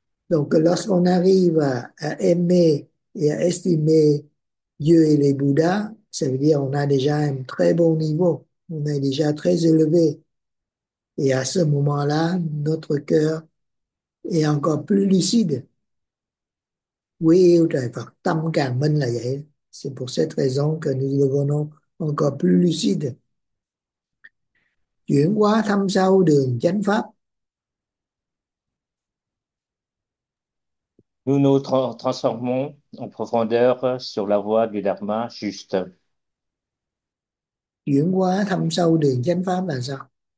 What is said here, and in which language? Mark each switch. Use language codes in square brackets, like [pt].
[fr] Donc, lorsqu'on arrive à aimer et à estimer Dieu et les Bouddhas, ça veut dire qu'on a déjà un très bon niveau, on est déjà très élevé. Et à ce moment-là, notre cœur est encore plus lucide. Oui, [vi] tâm càng minh là vậy. [fr] C'est pour cette raison que nous devenons encore plus lucides. [vi] Chuyển hóa thâm sâu đường chánh pháp. [fr] Nous nous transformons en profondeur sur la voie du Dharma juste. [vi] Chuyển hóa thâm sâu đường chánh pháp là sao?